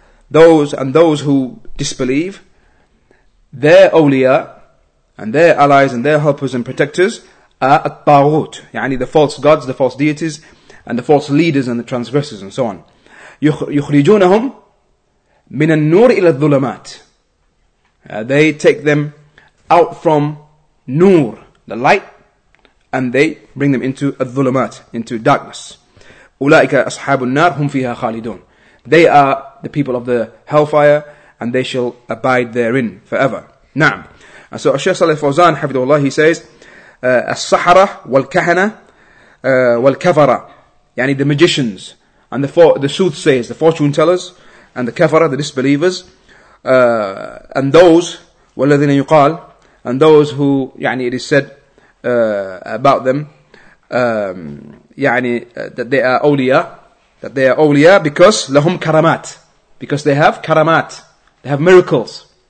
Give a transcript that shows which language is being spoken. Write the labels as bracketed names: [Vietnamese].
[English] Those and those who disbelieve, their awliya and their allies and their helpers and protectors are الطاغوت, يعني the false gods, the false deities, and the false leaders and the transgressors and so on. [Arabic] يُخْرِجُونَهُمْ مِنَ النُّورِ إِلَى الظُّلَمَاتِ. [English] They take them out from Noor, the light, and they bring them into al-dhulamat, into darkness. [Arabic] أولئك أصحاب النار هم فيها خالدون. [English] They are the people of the hellfire, and they shall abide therein forever. [Arabic] نعم. [English] And so, Shaykh Saleh Fawzan, حفظه الله, he says, [Arabic] السحرة والكهنة والكفرة, [English] يعني the magicians, and the soothsayers, the fortune tellers, and the كفرة, the disbelievers, and those, [Arabic] والذين يقال, [English] and those who, يعني, it is said about them, يعني, that they are awliya, that they are awliya because lahum karamat, because they have karamat, they have miracles.